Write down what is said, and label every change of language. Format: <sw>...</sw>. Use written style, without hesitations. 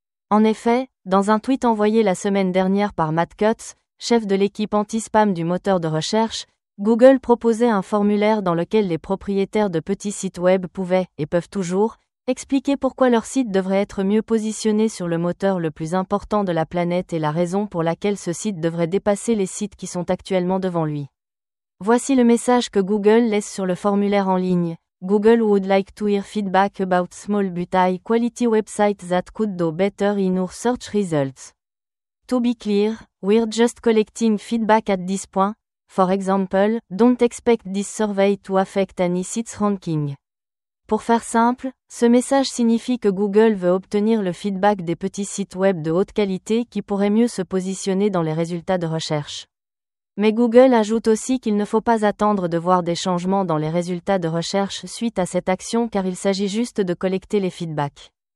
<fr>En effet, dans un tweet envoyé la semaine dernière par Matt Cutts, chef de l'équipe anti-spam du moteur de recherche, Google proposait un formulaire dans lequel les propriétaires de petits sites web pouvaient, et peuvent toujours, expliquer pourquoi leur site devrait être mieux positionné sur le moteur le plus important de la planète et la raison pour laquelle ce site devrait dépasser les sites qui sont actuellement devant lui. Voici le message que Google laisse sur le formulaire en ligne.</fr> <en>Google would like to hear feedback about small but high quality websites that could do better in our search results. To be clear, we're just collecting feedback at this point. For example, don't expect this survey to affect any site's ranking.</en> <fr>Pour faire simple, ce message signifie que Google veut obtenir le feedback des petits sites web de haute qualité qui pourraient mieux se positionner dans les résultats de recherche. Mais Google ajoute aussi qu'il ne faut pas attendre de voir des changements dans les résultats de recherche suite à cette action car il s'agit juste de collecter les feedbacks.</fr>